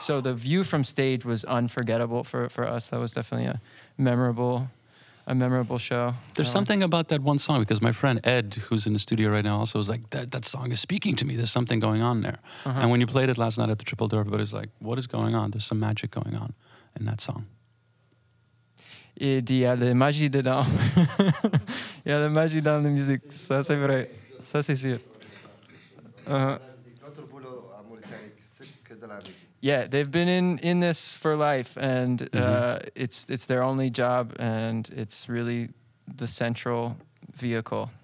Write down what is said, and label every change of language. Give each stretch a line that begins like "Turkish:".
English: So the view from stage was unforgettable for us. That was definitely a memorable show. There's something about that one song, because my friend Ed, who's in the studio right now, also was like, that song is speaking to me. There's something going on there. Uh-huh. And when you played it last night at the Triple Door, everybody's like, what is going on? There's some magic going on in that song.
French: Et il y a la magie dedans. Il y a la magie dans la musique. Ça, c'est vrai. Ça, c'est sûr. Notre boulot à Mauritanie, c'est que de la musique.
English: Yeah, they've been in this for life, and mm-hmm. it's their only job, and it's really the central vehicle.